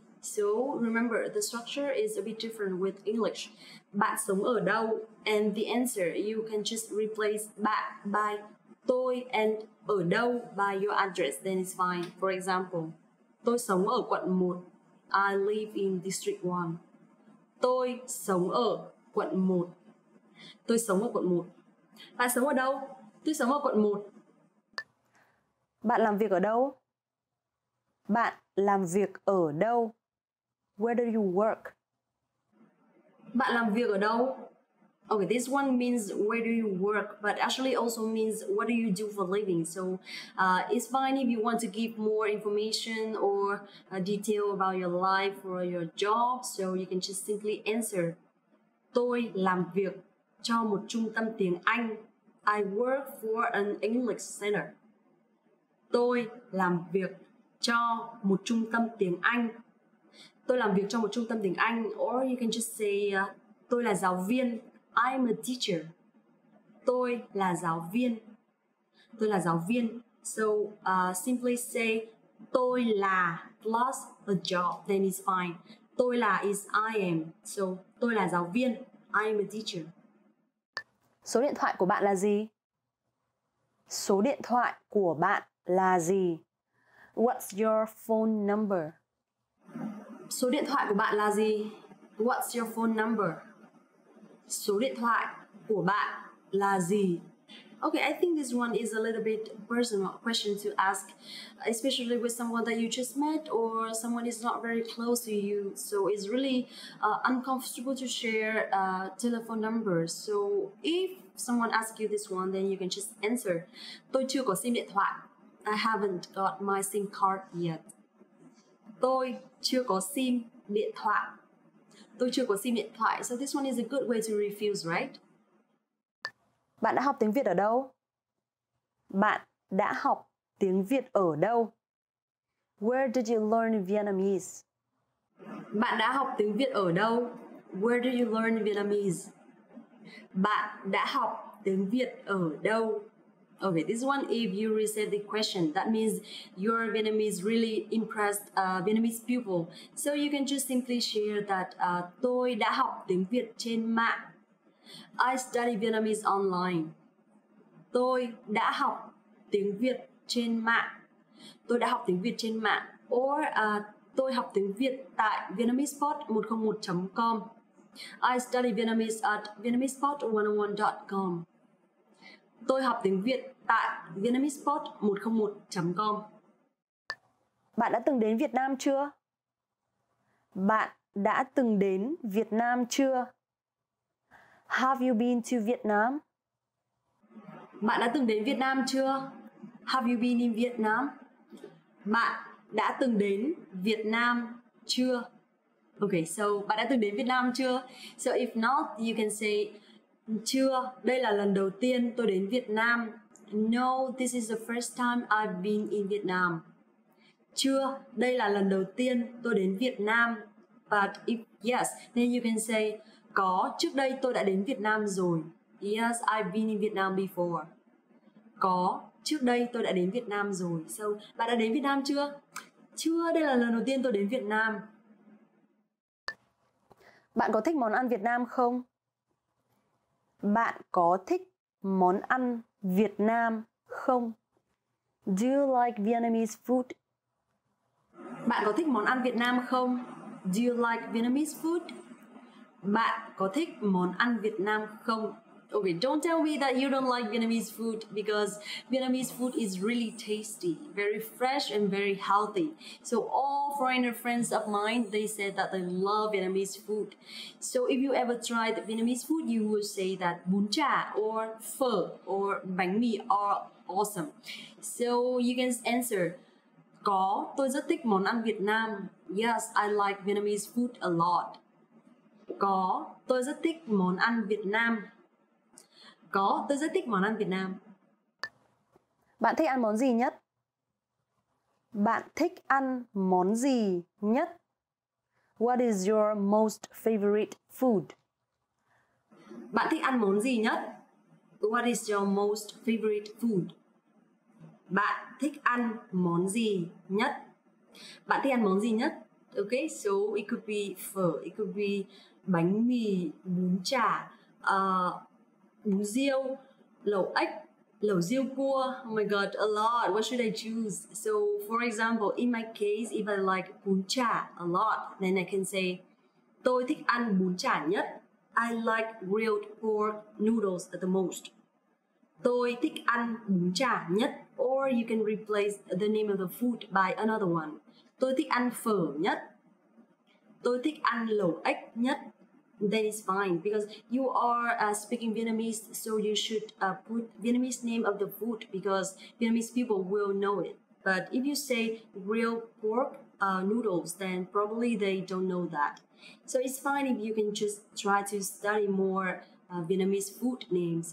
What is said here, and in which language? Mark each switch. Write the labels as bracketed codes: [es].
[en] So remember, the structure is a bit different with English. [vi] Bạn sống ở đâu? [en] And the answer, you can just replace bạn by tôi and ở đâu by your address, then it's fine. For example, [vi] tôi sống ở quận 1. [en] I live in district 1. [vi] Tôi sống ở quận 1. Tôi sống ở quận 1. Bạn sống ở đâu? Tôi sống ở quận 1. Bạn làm việc ở đâu? Bạn làm việc ở đâu? [en] Where do you work? [vi] Bạn làm việc ở đâu? [en] Okay, this one means where do you work, but actually also means what do you do for a living. So it's fine if you want to give more information or detail about your life or your job. So you can just simply answer, [vi] tôi làm việc cho một trung tâm tiếng Anh. [en] I work for an English center. [vi] Tôi làm việc cho một trung tâm tiếng Anh. Tôi làm việc cho một trung tâm tiếng Anh. [en] Or you can just say, [vi] tôi là giáo viên. [en] I'm a teacher. [vi] Tôi là giáo viên. Tôi là giáo viên. [en] So simply say tôi là plus a job, then it's fine. Tôi là is I am. So [vi] tôi là giáo viên. [en] I'm a teacher. [vi] Số điện thoại của bạn là gì? Số điện thoại của bạn là gì? [en] What's your phone number? [vi] Số điện thoại của bạn là gì? [en] What's your phone number? [vi] Số điện thoại của bạn là gì? [en] Okay, I think this one is a little bit personal question to ask, especially with someone that you just met or someone is not very close to you. So it's really uncomfortable to share telephone numbers. So if someone asks you this one, then you can just answer, [vi] tôi chưa có sim điện thoại. [en] I haven't got my SIM card yet. [vi] Tôi chưa có sim điện thoại. Tôi chưa có sim điện thoại. [en] So this one is a good way to refuse, right? [vi] Bạn đã học tiếng Việt ở đâu? Bạn đã học tiếng Việt ở đâu? [en] Where did you learn Vietnamese? [vi] Bạn đã học tiếng Việt ở đâu? [en] Where did you learn Vietnamese? [vi] Bạn đã học tiếng Việt ở đâu? [en] Okay, this one, if you reset the question, that means your Vietnamese really impressed Vietnamese people. So you can just simply share that [vi] tôi đã học tiếng Việt trên mạng. [en] I study Vietnamese online. [vi] Tôi đã học tiếng Việt trên mạng. Tôi đã học tiếng Việt trên mạng. Or tôi học tiếng Việt tại VietnamesePod101.com. [en] I study Vietnamese at VietnamesePod101.com. [vi] Tôi học tiếng Việt tại VietnamesePod101.com. Bạn đã từng đến Việt Nam chưa? Bạn đã từng đến Việt Nam chưa? [en] Have you been to Vietnam? [vi] Bạn đã từng đến Việt Nam chưa? [en] Have you been in Vietnam? [vi] Bạn đã từng đến Việt Nam chưa? Okay, so bạn đã từng đến Việt Nam chưa? [en] So if not, you can say [vi] chưa, đây là lần đầu tiên tôi đến Việt Nam. [en] No, this is the first time I've been in Vietnam. [vi] Chưa, đây là lần đầu tiên tôi đến Việt Nam. [en] But if yes, then you can say [vi] có, trước đây tôi đã đến Việt Nam rồi. [en] Yes, I've been in Vietnam before. [vi] Có, trước đây tôi đã đến Việt Nam rồi. So, bạn đã đến Việt Nam chưa? Chưa, đây là lần đầu tiên tôi đến Việt Nam. Bạn có thích món ăn Việt Nam không? Bạn có thích món ăn Việt Nam không? [en] Do you like Vietnamese food? [vi] Bạn có thích món ăn Việt Nam không? [en] Do you like Vietnamese food? [vi] Bạn có thích món ăn Việt Nam không? [en] Okay, don't tell me that you don't like Vietnamese food, because Vietnamese food is really tasty, very fresh and very healthy. So all foreigner friends of mine, they said that they love Vietnamese food. So if you ever tried Vietnamese food, you will say that bún chả or phở or bánh mì are awesome. So you can answer, [vi] có, tôi rất thích món ăn Việt Nam. [en] Yes, I like Vietnamese food a lot. [vi] Có, tôi rất thích món ăn Việt Nam. Có, tôi rất thích món ăn Việt Nam. Bạn thích ăn món gì nhất? Bạn thích ăn món gì nhất? [en] What is your most favorite food? [vi] Bạn thích ăn món gì nhất? [en] What is your most favorite food? [vi] Bạn thích ăn món gì nhất? Bạn thích ăn món gì nhất? [en] Okay, so it could be phở, it could be bánh mì, bún chả, bún riêu, lẩu ếch, lẩu riêu cua. Oh my god, a lot. What should I choose? So, for example, in my case, if I like bún chả a lot, then I can say [vi] tôi thích ăn bún chả nhất. [en] I like grilled pork noodles the most. [vi] Tôi thích ăn bún chả nhất. Or you can replace the name of the food by another one. Tôi thích ăn phở nhất. Tôi thích ăn lẩu ếch nhất. [en] That is fine because you are speaking Vietnamese, so you should put Vietnamese name of the food because Vietnamese people will know it. But if you say grilled pork noodles, then probably they don't know that. So it's fine if you can just try to study more Vietnamese food names.